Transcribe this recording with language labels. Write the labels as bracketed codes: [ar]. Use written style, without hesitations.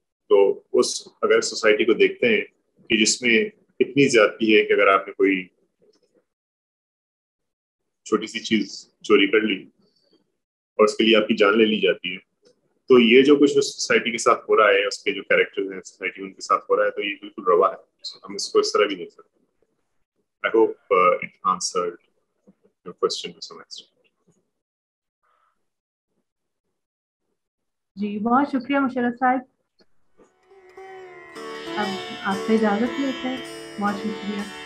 [ur] تو اس اگر سوسائٹی کو دیکھتے ہیں کہ جس میں اتنی زیادتی ہے کہ اگر آپ نے کوئی چھوٹی سی چیز چوری کر لی اور اس کے لیے آپ کی جان لے لی جاتی ہے, تو یہ جو کچھ سوسائٹی کے ساتھ ہو رہا ہے, اس کے جو کیریکٹر ہیں سوسائٹی ان کے ساتھ ہو رہا ہے, تو یہ بالکل روا ہے. ہم اس کو اس طرح بھی دیکھ سکتے ہیں. [en] I hope it answered your question to some extent. [ur] جی بہت شکریہ مشرف صاحب, اب آپ سے اجازت لیتے ہیں. بہت شکریہ.